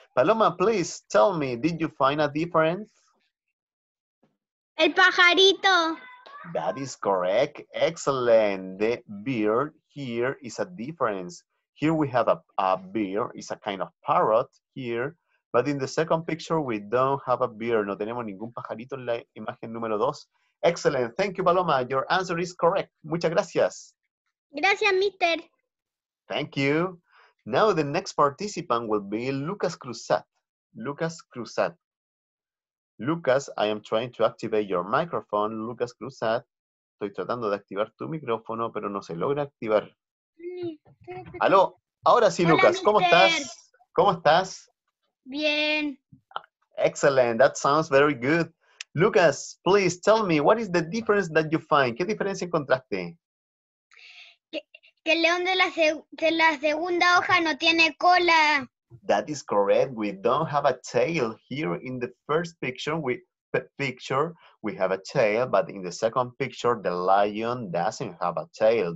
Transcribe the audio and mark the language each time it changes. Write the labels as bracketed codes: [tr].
[en] Paloma, please tell me, did you find a difference? [es] El pajarito. [en] That is correct. Excellent. The bear here is a difference. Here we have a bear, it's a kind of parrot here. But in the second picture, we don't have a bear. [es] No tenemos ningún pajarito en la imagen número 2. [en] Excellent. Thank you, Paloma. Your answer is correct. [es] Muchas gracias. Gracias, mister. [en] Thank you. Now the next participant will be Lucas Cruzat. Lucas Cruzat. Lucas, I am trying to activate your microphone. Lucas Cruzat. [es] Estoy tratando de activar tu micrófono, pero no se logra activar. Aló. Ahora sí, Lucas. Hola, ¿cómo estás? ¿Cómo estás? Bien. [en] Excellent. That sounds very good. Lucas, please tell me, what is the difference that you find? [es] ¿Qué diferencia encontraste? Que el león de la segunda hoja no tiene cola. [en] That is correct. We don't have a tail here in the first picture. We have a tail, but in the second picture, the lion doesn't have a tail.